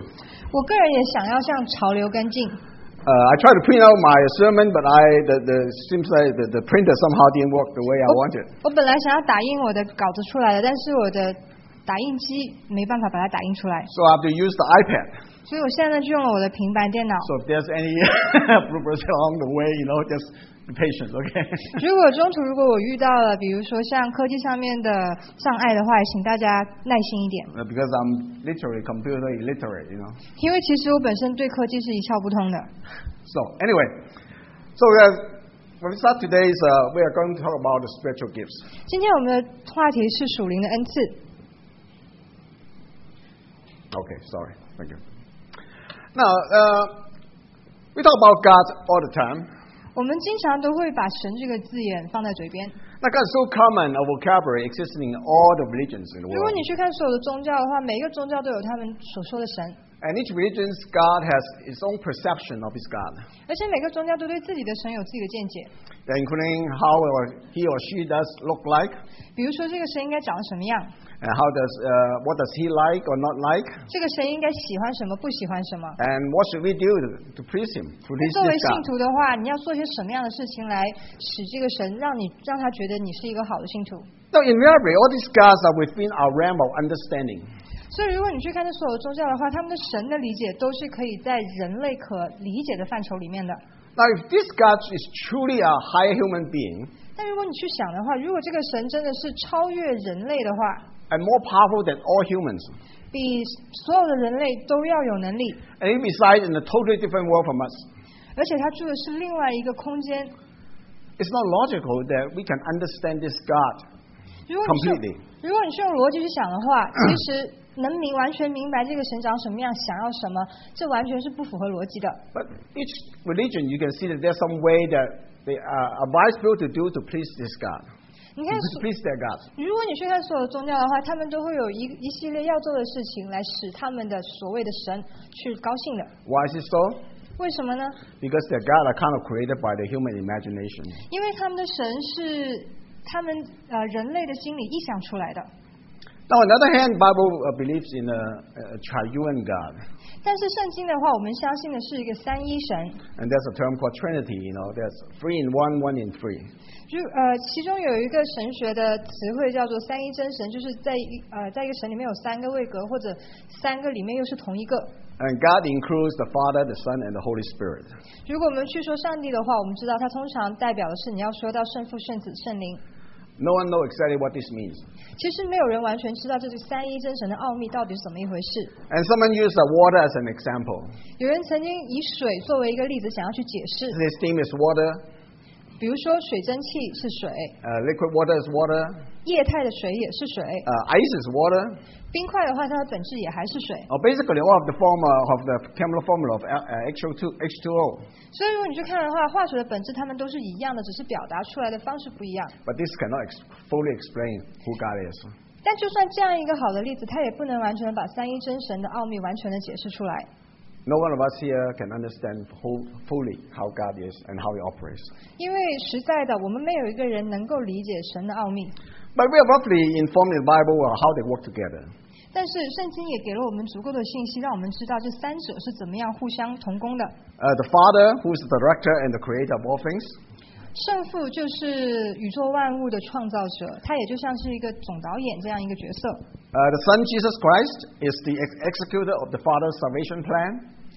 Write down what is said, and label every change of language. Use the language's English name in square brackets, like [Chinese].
[Chinese] 我个人也想要向潮流跟进。 [English] I try to print out my sermon, but the seems like the printer somehow didn't work the way I wanted. [Chinese] 我本来想要打印我的稿子出来的，但是我的打印机没办法把它打印出来。 [English] So I have to use the iPad. [Chinese] 所以我现在就用了我的平板电脑。 [English] So if there's any problems along the way, you know, just be patient, okay? [Chinese] 如果中途如果我遇到了，比如说像科技上面的障碍的话，请大家耐心一点。 [English] Because I'm literally computer illiterate, you know. [Chinese] 因为其实我本身对科技是一窍不通的。 [English] So anyway, so we are. When we start today, we are going to talk about the spiritual gifts. [Chinese] 今天我们的话题是属灵的恩赐。 [English] Okay, sorry, thank you. Now, we talk about God all the time. [Chinese] 我们经常都会把神这个字眼放在嘴边。 [English] Now, God is so common a vocabulary existing in all the religions in the world. [Chinese] 如果你去看所有的宗教的话，每一个宗教都有他们所说的神。 [English] And each religion's God has its own perception of his God. [Chinese] 而且每个宗教都对自己的神有自己的见解。 [English] They're including how he or she does look like. [Chinese] 比如说这个神应该长什么样。 [English] And how does, what does he like or not like? [Chinese] 这个神应该喜欢什么，不喜欢什么。 [English] And what should we do to please him, to please this God? [Chinese] 作为信徒的话，你要做些什么样的事情来使这个神让他觉得你是一个好的信徒。 [English] So in reality, all these gods are within our realm of understanding. [Chinese] 所以如果你去看这所有宗教的话，他们的神的理解都是可以在人类可理解的范畴里面的。 [English] Now, if this God is truly a higher human being, [Chinese] 但如果你去想的话，如果这个神真的是超越人类的话， [English] and more powerful than all humans, [Chinese] 比所有的人类都要有能力， [English] and he resides in a totally different world from us, [Chinese] 而且他住的是另外一个空间， [English] it's not logical that we can understand this God completely. [Chinese] 如果你是用逻辑去想的话，其实能明完全明白这个神长什么样，想要什么，这完全是不符合逻辑的。 [English] But each religion, you can see that there's some way that they advise people to do to please this God. [Chinese] 你看 [English] to please their God. [Chinese] 如果你去看所有宗教的话，他们都会有 一系列要做的事情来使他们的所谓的神去高兴的。 [English] Why is it so? [Chinese] 为什么呢？ [English] Because their God are kind of created by the human imagination. [Chinese] 因为他们的神是他们人类的心里臆想出来的。 [English] Now, on the other hand, Bible believes in a triune God. [Chinese] 但是圣经的话，我们相信的是一个三一神。 [English] And there's a term called Trinity. You know, there's three in one, one in three. [Chinese] 其中有一个神学的词汇叫做三一真神，就是在一个神里面有三个位格，或者三个里面又是同一个。 [English] And God includes the Father, the Son, and the Holy Spirit. [Chinese] 如果我们去说上帝的话，我们知道它通常代表的是你要说到圣父、圣子、圣灵。 [English] No one knows exactly what this means. [Chinese] 其实没有人完全知道这是三一真神的奥秘到底是怎么一回事。 [English] And someone used the water as an example. [Chinese] 有人曾经以水作为一个例子，想要去解释。 [English] This steam is water. [Chinese] 比如说水蒸气是水。 [English] Liquid water is water. [Chinese] 液态的水也是水。 [English] Ice is water. [Chinese] 冰块的话，它的本质也还是水。 [English] Basically, all of the formula of the chemical formula of H2O. [Chinese] 所以如果你去看的话，化学的本质它们都是一样的，只是表达出来的方式不一样。 [English] But this cannot fully explain who God is. [Chinese] 但就算这样一个好的例子，它也不能完全把三一真神的奥秘完全的解释出来。 [English] No one of us here can understand fully how God is and how He operates. [Chinese] 因为实在的，我们没有一个人能够理解神的奥秘。 [English] But we are roughly informed in the Bible on how they work together. [Chinese] 但是圣经也给了我们足够的信息，让我们知道这三者是怎么样互相同工的。 [English] The Father, who is the director and the creator of all things. [Chinese] 圣父就是宇宙万物的创造者，他也就像是一个总导演这样一个角色。 [English] The Son, Jesus Christ, is the executor of the Father's salvation plan.